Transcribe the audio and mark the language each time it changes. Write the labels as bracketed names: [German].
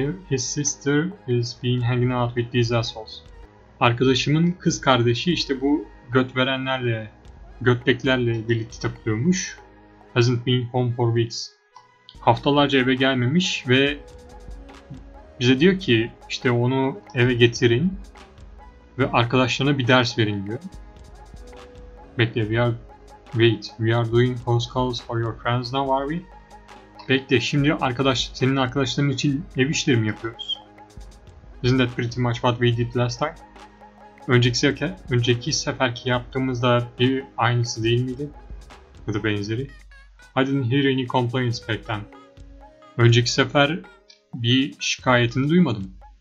[English] His sister is being hanging out with these assholes. [Turkish] Arkadaşımın kız kardeşi işte bu göt verenlerle, göttekilerle birlikte takılıyormuş. [English] Hasn't been home for weeks. [Turkish] Haftalarca eve gelmemiş ve bize diyor ki işte onu eve getirin ve arkadaşlarına bir ders verin, diyor. Bekle, [English] we are doing house calls for your friends now, are we? [Turkish] Bekle, şimdi senin arkadaşların için ev işlerimi yapıyoruz. [English] Isn't that pretty much what we did last time? [Turkish] Önceki seferki yaptığımızda bir aynısı değil miydi? Ya da benzeri. [English] I didn't hear any complaints back then. [Turkish] Önceki sefer bir şikayetini duymadım.